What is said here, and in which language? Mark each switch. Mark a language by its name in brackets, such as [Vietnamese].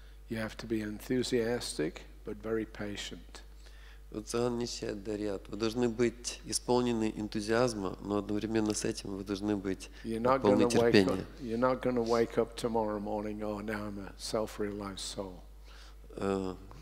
[English] You have to be enthusiastic, but very patient. [Sanskrit] Уцан нисья дариат. [Russian] Вы должны быть исполнены энтузиазма, но одновременно с этим вы должны быть полны терпения. [English] You're not going to wake up tomorrow morning, oh, now I'm a self-realized soul.